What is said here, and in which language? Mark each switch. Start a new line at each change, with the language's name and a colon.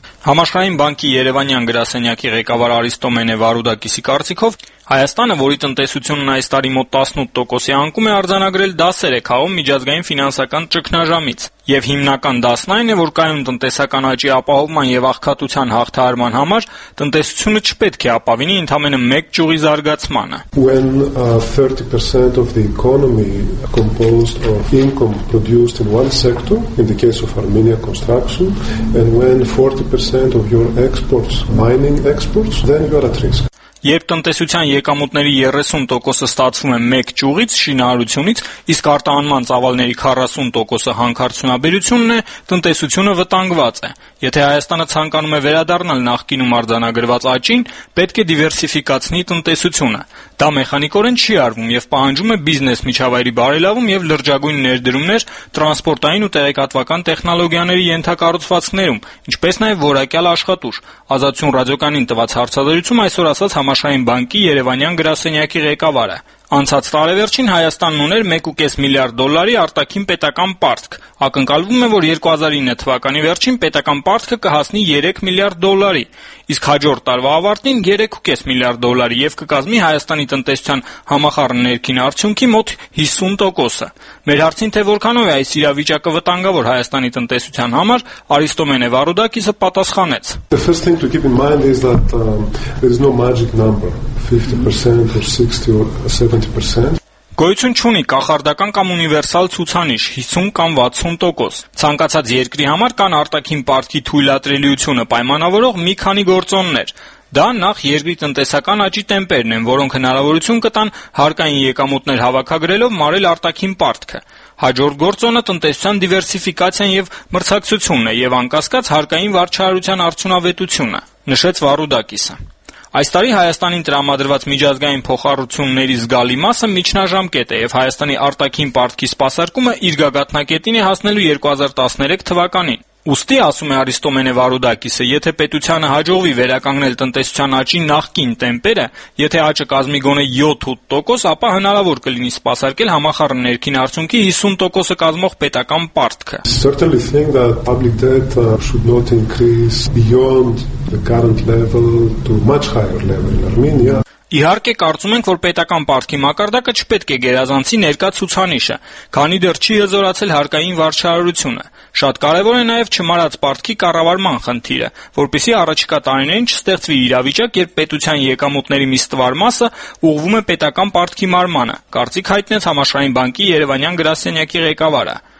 Armenian: Համաշխարհային բանկի Երևանյան գրասենյակի ղեկավար Արիստոմենե Վարուդակիսի կարծիքով Հայաստանը, որի տնտեսությունն այս տարի մոտ 18% անկում է արձանագրել 10-ը քաղում միջազգային ֆինանսական ճգնաժամից, եւ հիմնական դասն այն է, որ կայուն տնտեսական աճի ապահովման եւ աղքատության հաղթահարման համար տնտեսությունը չպետք է ապավինի ընդամենը 1 ճյուղի զարգացմանը։
English: When 30% of the economy composed of income produced in one sector, in the case of Armenia construction, and when 40% of your exports, mining exports, then you are at risk.
Armenian: Երբ տնտեսության եկամուտների 30%-ը ստացվում է 1 ճյուղից, շինարարությունից, իսկ արտահանման ծավալների 40%-ը հանքարդյունաբերությունն է, տնտեսությունը վտանգված է։ Եթե Հայաստանը ցանկանում է վերադառնալ նախկինում արձանագրված աճին, պետք է դիվերսիֆիկացնի տնտեսությունը։ Դա մեխանիկորեն չի արվում եւ պահանջում է բիզնես միջավայրի բարելավում եւ լրջագույն ներդրումներ տրանսպորտային ու տեղեկատվական տեխնոլոգիաների ենթակառուցվածքներում, ինչպես նաեւ որակյալ աշխատուժ։ Ազատություն ռադիոկանին տված հարցազրույցում այսօր ասաց Համաշխարհային բանկի Երևանյան գրասենյակի ղեկավարը. Անցած տարեվերջին Հայաստանն ուներ 1.5 միլիարդ դոլարի արտաքին պետական պարտք։ Ակնկալվում է, որ 2009 թվականի վերջին պետական պարտքը կհասնի 3 միլիարդ դոլարի, իսկ հաջորդ տարվա ավարտին 3.5 միլիարդ դոլարի եւ կկազմի Հայաստանի տնտեսության համախառն ներքին արդյունքի մոտ 50%-ը։ Մեր հարցին, թե որքանով է այս իրավիճակը վտանգավոր Հայաստանի տնտեսության համար, Արիստոմենե Վարուդակիսը պատասխանեց.
English: The first thing to keep in mind is that there is no magic number. 50% or 60% or 70%.
Armenian: Գոյություն չունի կախարդական կամ ունիվերսալ ցուցանիշ 50 կամ 60%։ Ցանկացած երկրի համար կան արտաքին պարտքի թույլատրելիությունը պայմանավորող մի քանի գործոններ։ Դա նախ երկրի տնտեսական աճի տեմպերն են, որոնք հնարավորություն կտան հարկային եկամուտներ հավաքագրելով մարել արտաքին պարտքը։ Հաջորդ գործոնը տնտեսության դիվերսիֆիկացիան եւ մրցակցությունն է եւ անկասկած հարկային վարչարարության արդյունավետությունը, նշեց Վարուդակիսը։ Այս տարի Հայաստանին տրամադրված միջազգային փոխառությունների զգալի մասը միջնաժամկետ է եւ Հայաստանի արտաքին պարտքի սպասարկումը իր գագաթնակետին է հասնելու 2013 թվականին։ Ուստի, ասում է Արիստոմենե Վարուդակիսը, եթե պետությանը հաջողվի վերականգնել տնտեսության աճի նախկին տեմպերը, եթե աճը կազմի գոնե 7-8%, ապա հնարավոր կլինի սպասարկել համախառն ներքին արդյունքի 50%-ը կազմող պետական պարտքը։
English: Certainly think that public debt should not increase beyond the current level to much higher level in Armenia.
Armenian: Իհարկե կարծում ենք, որ պետական պարտքի մակարդակը չպետք է գերազանցի ներկա ցուցանիշը, քանի դեռ չի հզորացել հարկային վարչարարությունը։ Շատ կարևոր է նաև չմարած պարտքի կառավարման խնդիրը, որպեսզի առաջիկա տարիներին չստեղծվի իրավիճակ, երբ պետության եկամուտների մի ստվար մասը ուղվում է պետական պարտքի մարմանը, կարծիք հայտնեց Համաշխարհային բանկի Երևանյան գրասենյակի ղեկավարը։